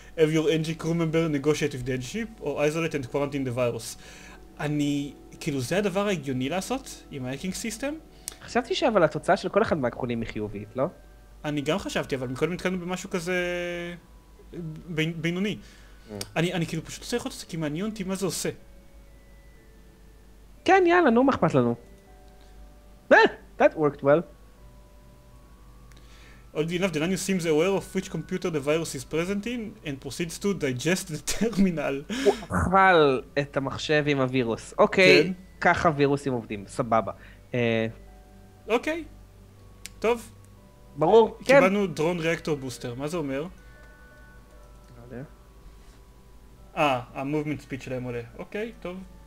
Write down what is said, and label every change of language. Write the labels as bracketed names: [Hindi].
[English] Have your NG crew member negotiate with the NG ship or isolate and quarantine the virus. [Hebrew] אני, כאילו זה הדבר ההגיוני לעשות עם ההקינג סיסטם? חשבתי שאבל התוצאה של כל אחד מהכחולים היא חיובית, לא? אני גם חשבתי, אבל מקודם נתקלנו במשהו כזה... בינוני. אני כאילו פשוט צריך לראות את זה, כי מעניין אותי מה זה עושה. כן, יאללה, נו, מה אכפת לנו? [English] That worked well. Oddly enough, the Nanus seems aware of which computer the virus is present in and proceeds to digest the terminal. [Hebrew] אוכל את המחשב עם הווירוס. אוקיי, ככה וירוסים עובדים, סבבה. אוקיי, טוב. ברור, כן. קיבלנו דרון ריאקטור בוסטר, מה זה אומר? עולה. המובמנט ספיד שלהם עולה. אוקיי, טוב.